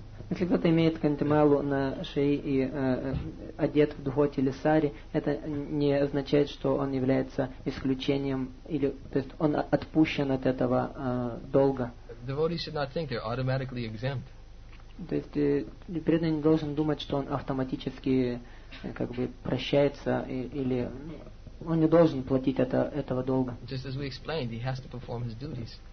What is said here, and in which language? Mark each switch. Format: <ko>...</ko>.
<ru>Если кто-то имеет кантималу на шее и одет в дхоти или сари, это не означает, что он является исключением, или то есть он отпущен от этого долга.</ru> <en>Devotees should not think they're automatically exempt.</en> <ru>То есть преданный не должен думать, что он автоматически как бы прощается, или он не должен платить этого долга.</ru> <en>Just as we explained, he has to perform his duties.</en>